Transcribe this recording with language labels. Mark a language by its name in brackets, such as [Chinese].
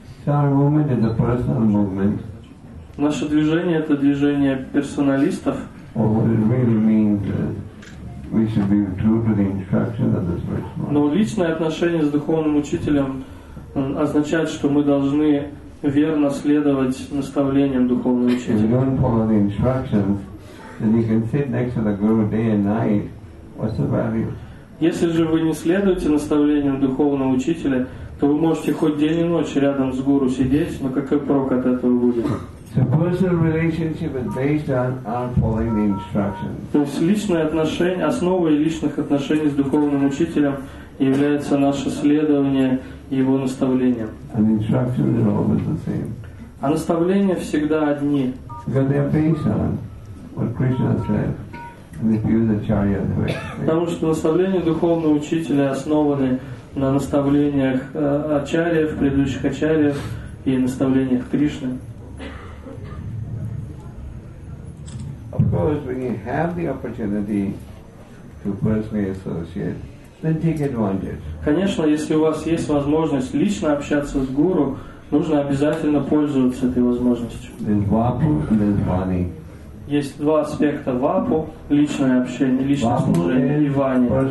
[Russian] Наше движение — это движение персоналистов. Но личное отношение с духовным учителем означает, что мы должны верно следовать наставлениям духовного учителя. [English] Then you can sit next to the guru day and night. What's the value? [Russian] Если же вы не следуете наставлениям духовного учителя, то вы можете хоть день и ночь рядом с гуру сидеть, но какой прок от этого будет? [English] So personal relationship is based on following the instructions. [Russian] То есть личные отношения, основой личных отношений с духовным учителем является наше следование его наставлениям. [English] And instructions are always the same. [Russian] А наставления всегда одни. [English] Because they are based on what Krishna said, and the view of Acharya. [Russian] Потому что наставления духовного учителя основаны на наставлениях Ачарьев, предыдущих Ачарьев и наставлениях Кришны. [English] Of course, when you have the opportunity to personally associate, then take advantage. [Russian] Конечно, если у вас есть возможность лично общаться с гуру, нужно обязательно пользоваться этой возможностью. [English] There's Vapu and there's Vani. [Russian] Есть два аспекта вапу, личное общение, личное служение и вани.